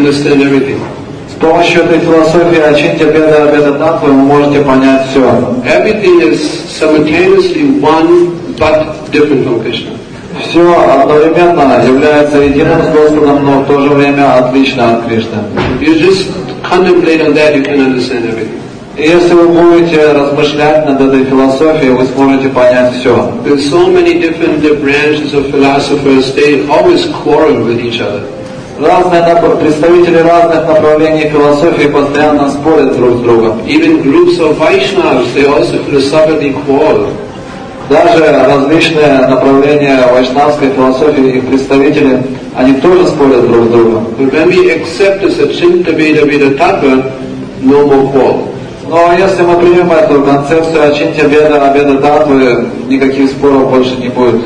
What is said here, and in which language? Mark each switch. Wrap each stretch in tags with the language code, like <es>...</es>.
<ru>С помощью этой философии Ачинтья Беда Абеда Таттва вы можете понять все.</ru> <en>Everything is simultaneously one, but different from Krishna.</en> <ru>Все одновременно является единым с Господом, но в то же время отлично от Кришны.</ru> <en>You just contemplate on that, you can understand everything.</en> <ru>Если вы будете размышлять над этой философией, вы сможете понять все.</ru> <en>There's so many different branches of philosophers, they always quarrel with each other.</en> <ru>Представители разных направлений философии постоянно спорят друг с другом.</ru> <en>Even groups of Vaishnavas, they also philosophically quarrel.</en> <ru>Даже различные направления вайшнавской философии, их представители, они тоже спорят друг с другом.</ru> <en>But when we accept this Achintya Bheda Veda Tattva, no more quarrel.</en> <ru>Но если мы примем эту концепцию Ачинтья Веда, Веда Татвы, никаких споров больше не будет.</ru>